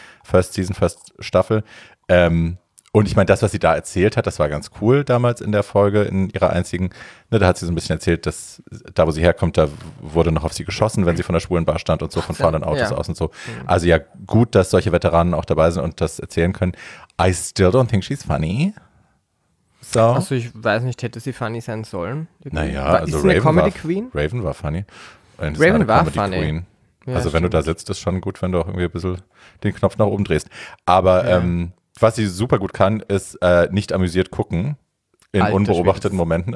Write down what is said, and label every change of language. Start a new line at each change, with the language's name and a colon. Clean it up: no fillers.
English: First Season,
German: First Staffel. Und ich meine, das, was sie da erzählt hat, das war ganz cool damals in der Folge, in ihrer einzigen. Ne, da hat sie so ein bisschen erzählt, dass da, wo sie herkommt, da wurde noch auf sie geschossen, wenn sie von der schwulen Bar stand und so, von fahrenden Autos aus und so. Also ja, gut, dass solche Veteranen auch dabei sind und das erzählen können.
English: I still don't think she's funny.
German: So. Also ich weiß nicht, hätte sie funny sein sollen? Naja, also Raven Comedy Queen? Raven war funny. Raven war Comedy funny. Queen. Ja, also wenn stimmt. du da sitzt, ist schon gut, wenn du auch irgendwie ein bisschen den Knopf nach oben drehst. Aber was sie super gut kann, ist nicht amüsiert gucken in Alter, unbeobachteten Momenten.